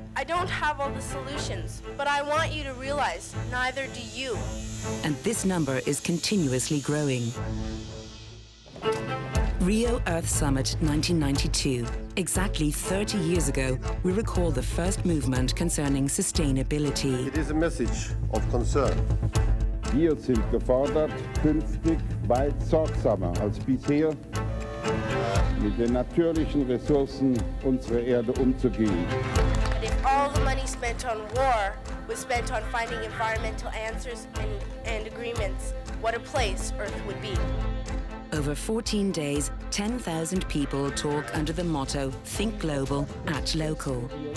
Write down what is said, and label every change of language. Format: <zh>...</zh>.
<en>I don't have all the solutions, but I want you to realize neither do you. And this number is continuously growing. Rio Earth Summit 1992. Exactly 30 years ago, we recall the first movement concerning sustainability. It is a message of concern.</en> <de>Wir sind gefordert, künftig weit sorgsamer als bisher mit den natürlichen Ressourcen unserer Erde umzugehen.</de> <en>And if all the money spent on war was spent on finding environmental answers and agreements, what a place Earth would be. Over 14 days, 10,000 people talk under the motto, Think Global, Act Local.</en>